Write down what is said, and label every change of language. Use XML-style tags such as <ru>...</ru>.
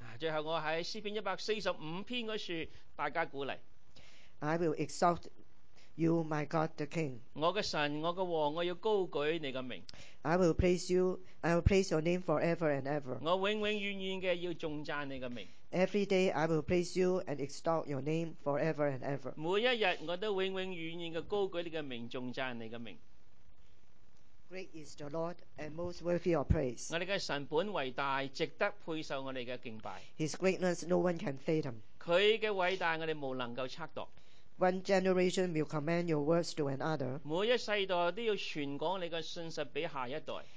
<yue>最後我喺詩篇145篇嗰處，大家鼓勵。</yue> <en>I will exalt you, my God, the King.</en> <yue>我嘅神，我嘅王，我要高舉你嘅名。</yue> <en>I will praise your name forever and ever.</en> <yue>我永永遠遠嘅要頌讚你嘅名。</yue> <en>Every day I will praise you and exalt your name forever and ever.</en> <yue>每一日我都永永遠遠嘅高舉你嘅名，頌讚你嘅名。</yue> <en>Great is the Lord and most worthy of praise.</en> <yue>我哋嘅神本為大，值得配受我哋嘅敬拜。</yue> <en>His greatness no one can fathom.</en> <yue>佢嘅偉大，我哋無能夠測度。</yue> <en>One generation will command your words to another.</en> <yue>每一世代都要傳講你嘅信實俾下一代。</yue>